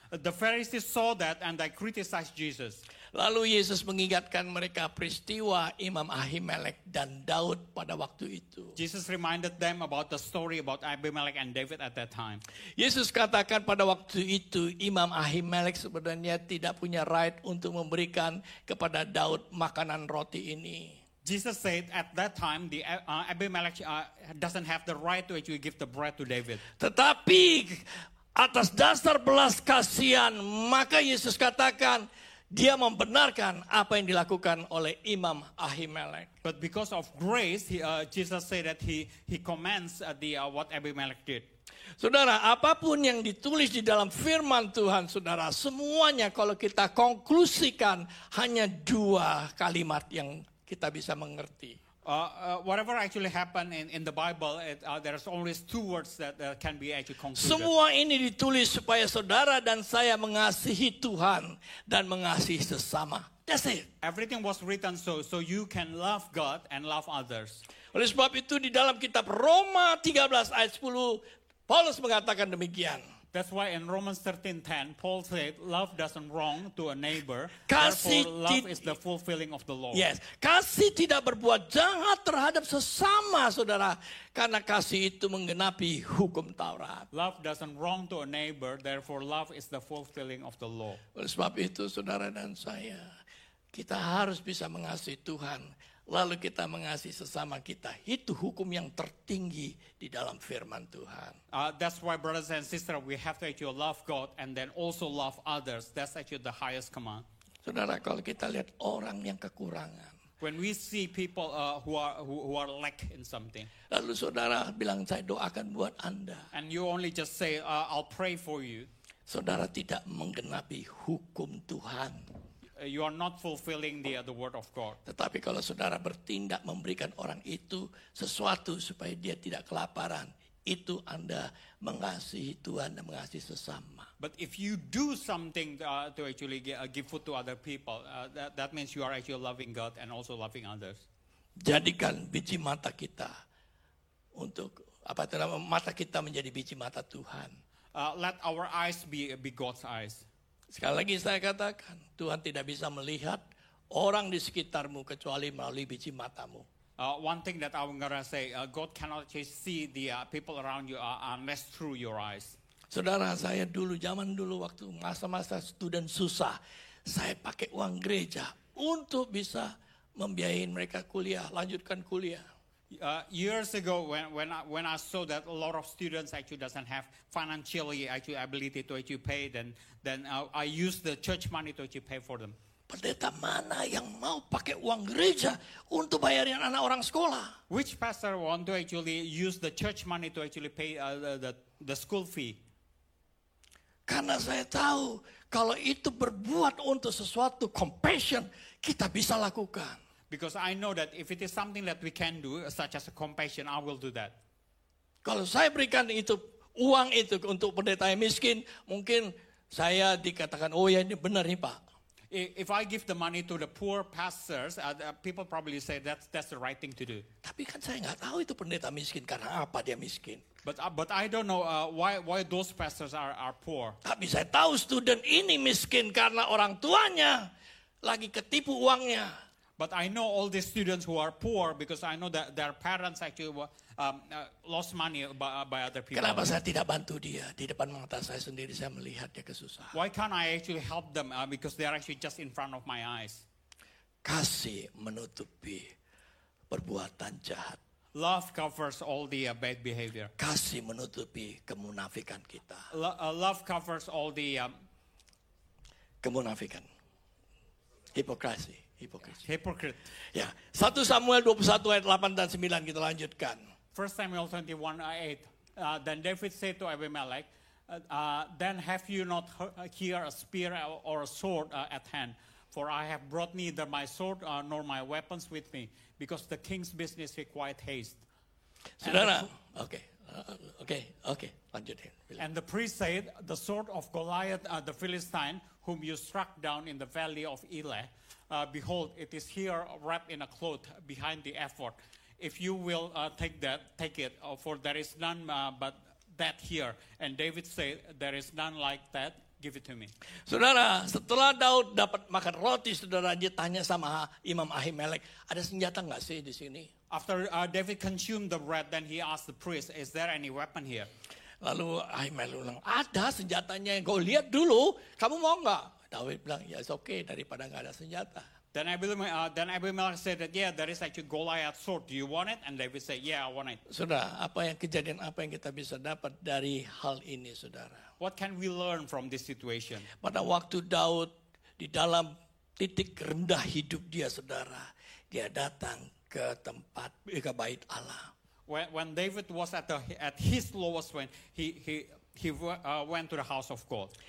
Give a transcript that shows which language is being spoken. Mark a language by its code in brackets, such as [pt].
[en] The Pharisees saw that and they criticized Jesus. [id] Lalu Yesus mengingatkan mereka peristiwa Imam Ahimelek dan Daud pada waktu itu. [en] Jesus reminded them about the story about Abimelech and David at that time. [id] Yesus katakan pada waktu itu Imam Ahimelek sebenarnya tidak punya right untuk memberikan kepada Daud makanan roti ini. [en] Jesus said at that time the Abimelech doesn't have the right to actually give the bread to David. [id] Tetapi atas dasar belas kasihan, maka Yesus katakan dia membenarkan apa yang dilakukan oleh Imam Ahimelek. [en] But because of grace, Jesus said that he commends what Abimelech did. [id] Saudara, apapun yang ditulis di dalam firman Tuhan, saudara, semuanya kalau kita konklusikan hanya dua kalimat yang kita bisa mengerti. [en] Whatever actually happened in the Bible, there's only two words that can be actually concluded. [id] Semua ini ditulis supaya saudara dan saya mengasihi Tuhan dan mengasihi sesama. [en] That's it. Everything was written so you can love God and love others. [id] Oleh sebab itu di dalam kitab Roma 13 ayat 10, Paulus mengatakan demikian. [en] That's why in Romans 13:10, Paul said, love doesn't wrong to a neighbor, [id] kasih [en] therefore love is the fulfilling of the law. [id] Yes, kasih tidak berbuat jahat terhadap sesama, saudara, karena kasih itu menggenapi hukum Taurat. [en] Love doesn't wrong to a neighbor, therefore love is the fulfilling of the law. [id] Oleh sebab itu, saudara dan saya, kita harus bisa mengasihi Tuhan, lalu kita mengasihi sesama kita. Itu hukum yang tertinggi di dalam firman Tuhan. [en] That's why, brothers and sisters, we have to actually love God and then also love others. That's actually the highest command. [id] Saudara, kalau kita lihat orang yang kekurangan. [en] When we see people who are lack in something. [id] Lalu saudara bilang, saya doakan buat Anda. [en] And you only just say, I'll pray for you. [id] Saudara tidak menggenapi hukum Tuhan. [en] You are not fulfilling the word of God. [id] Tetapi kalau saudara bertindak memberikan orang itu sesuatu supaya dia tidak kelaparan, itu Anda mengasihi Tuhan dan mengasihi sesama. [en] But if you do something to actually give food to other people, that means you are actually loving God and also loving others. [id] Jadikan biji mata kita untuk apa namanya, mata kita menjadi biji mata Tuhan. [en] Let our eyes be God's eyes. [id] Sekali lagi saya katakan, Tuhan tidak bisa melihat orang di sekitarmu kecuali melalui biji matamu. [en] One thing that I want to say, God cannot just see the people around you unless through your eyes. [id] Saudara, saya dulu, zaman dulu waktu masa-masa student susah, saya pakai uang gereja untuk bisa membiayai mereka kuliah, lanjutkan kuliah. [en] Years ago, when I saw that a lot of students actually doesn't have financially actually ability to actually pay, then I used the church money to actually pay for them. [id] Pendeta mana yang mau pakai uang gereja untuk bayarin anak orang sekolah? [en] Which pastor want to actually use the church money to actually pay the school fee? [id] Karena saya tahu kalau itu berbuat untuk sesuatu compassion, kita bisa lakukan. [en] Because I know that if it is something that we can do, such as a compassion, I will do that. [id] Kalau saya berikan itu uang itu untuk pendeta yang miskin, mungkin saya dikatakan, oh ya ini benar nih Pak. [en] If I give the money to the poor pastors, people probably say that's the right thing to do. [id] Tapi kan saya nggak tahu itu pendeta miskin karena apa dia miskin. [en] But I don't know why those pastors are poor. [id] Tapi saya tahu student ini miskin karena orang tuanya lagi ketipu uangnya. [en] But I know all these students who are poor because I know that their parents actually lost money by other people. [id] Kenapa saya tidak bantu dia? Di depan mata saya sendiri saya melihat dia kesusahan. [en] Why can't I actually help them because they are actually just in front of my eyes? [id] Kasih menutupi perbuatan jahat. [en] Love covers all the bad behavior. [id] Kasih menutupi kemunafikan kita. [en] Love covers all the [id] kemunafikan. Hipokrasi. [en] Hypocrite. Yeah. [id] 1 Samuel 21 ayat 8 dan 9 kita lanjutkan. 1 Samuel 21 ayat 8. [en] Then David said to Abimelech, then have you not here a spear or a sword at hand? For I have brought neither my sword nor my weapons with me, because the king's business required haste. [id] Saudara, okay, lanjutin. [en] And the priest said, the sword of Goliath, the Philistine, whom you struck down in the valley of Elah, behold, it is here wrapped in a cloth behind the ephod. If you will take it, for there is none but that here. And David said, there is none like that. Give it to me. [id] Saudara, setelah Daud dapat makan roti, saudara, dia tanya sama Imam Ahimelek, ada senjata enggak sih di sini? [en] After David consumed the bread, then he asked the priest, is there any weapon here? [id] Lalu Ahimelek bilang, ada senjatanya. Kau lihat dulu, kamu mau enggak? David bilang, ya, [en] it's okay, [id] daripada enggak ada senjata. [en] Then Abimelech said that, yeah, there is actually Goliath's sword. Do you want it? And David said, yeah, I want it. [id] Saudara, apa yang kejadian, apa yang kita bisa dapat dari hal ini, saudara? [en] What can we learn from this situation? [id] Pada waktu Daud di dalam titik rendah hidup dia, saudara, dia datang ke tempat ke bait Allah. [en] When David was at his lowest point, he went to the house of God.